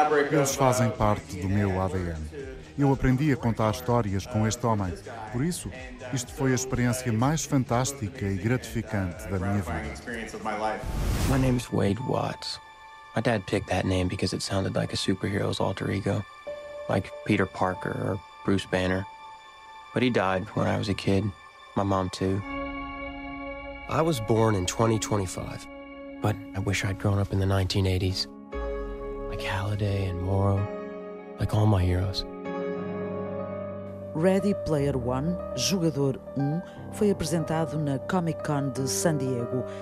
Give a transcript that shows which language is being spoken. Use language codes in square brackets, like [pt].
[pt] Eles fazem parte do meu ADN. Eu aprendi a contar histórias com este homem. Por isso, isto foi a experiência mais fantástica e gratificante da minha vida. [en] My name is Wade Watts. My dad picked that name because it sounded like a superhero's alter ego, like Peter Parker or Bruce Banner. But he died when I was a kid. My mom too. I was born in 2025, but I wish I'd grown up in the 1980s, like Halliday and Morrow, like all my heroes. [pt] Ready Player One, Jogador 1, foi apresentado na Comic-Con de San Diego.